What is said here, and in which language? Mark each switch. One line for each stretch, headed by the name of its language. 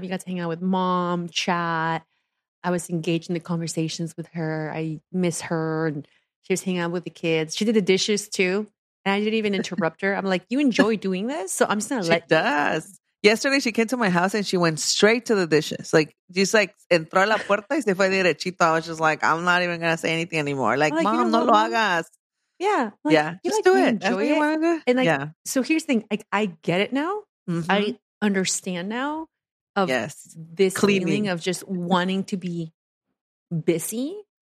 English: We got to hang out with mom, chat. I was engaged in the conversations with her. I miss her. And she was hanging out with the kids. She did the dishes too. And I didn't even interrupt her. I'm like, you enjoy doing this? So I'm just going to let you. She does. Yesterday she came to my house and she went straight to the dishes.
Spanish: Like, just like, entró a la puerta y se fue derechito.
English: I was just like, I'm not even going to say anything anymore. Like, mom, you know,
Spanish: no lo hagas.
English: Yeah. Like, yeah. Just do it. Enjoy it. And like, yeah. So here's the thing. Like, I get it now. Mm-hmm. I understand now of this cleaning. Feeling of just wanting to be busy.